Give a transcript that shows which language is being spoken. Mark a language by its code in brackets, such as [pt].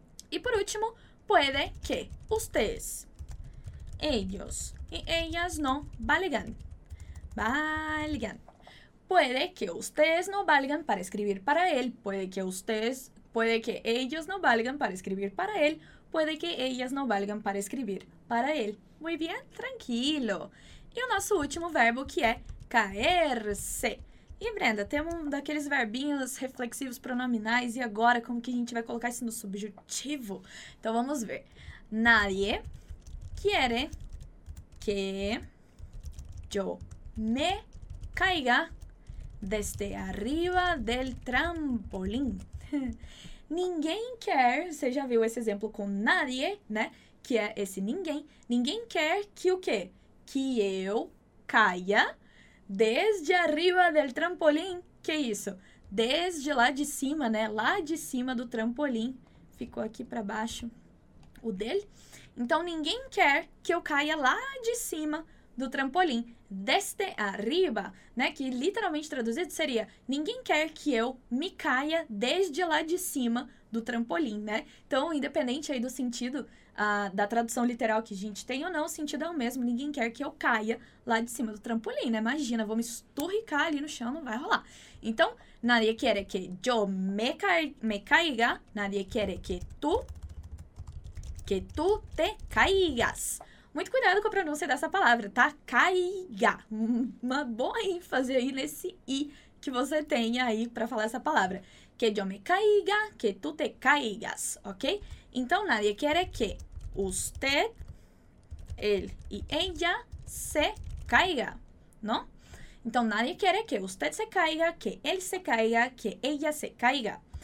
[es] Y por último, puede que ustedes, ellos y ellas no valgan. Valgan. Puede que ustedes no valgan para escribir para él. Puede que ustedes, puede que ellos no valgan para escribir para él. Puede que ellas no valgan para escribir para él. Muy bien, tranquilo. [pt] E o nosso último verbo, que é caer-se. E, Brenda, temos um daqueles verbinhos reflexivos pronominais. E agora, como que a gente vai colocar isso no subjuntivo? Então, vamos ver. [es] Nadie quiere que yo me caiga desde arriba del trampolín. [pt] Ninguém quer, você já viu esse exemplo com nadie, né? Que é esse ninguém. Ninguém quer que o quê? Que eu caia [es] desde arriba del trampolim. [pt] Que isso? Desde lá de cima, né? Lá de cima do trampolim. Ficou aqui para baixo o dele. Então, ninguém quer que eu caia lá de cima do trampolim. [es] Desde arriba, [pt] né? Que literalmente traduzido seria ninguém quer que eu me caia desde lá de cima do trampolim, né? Então, independente aí do sentido da tradução literal que a gente tem ou não, o sentido é o mesmo. Ninguém quer que eu caia lá de cima do trampolim, né? Imagina, vou me esturricar ali no chão, não vai rolar. [es] Então, nadie quiere que yo me caiga. Nadie quiere que tú te caigas. [pt] Muito cuidado com a pronúncia dessa palavra, tá? Caiga. Uma boa ênfase aí nesse I que você tem aí pra falar essa palavra. [es] Que yo me caiga, que tú te caigas, ok? Então, nadie quiere que usted, él y ella se caiga, ¿no? Então, nadie quiere que usted se caiga, que él se caiga, que ella se caiga.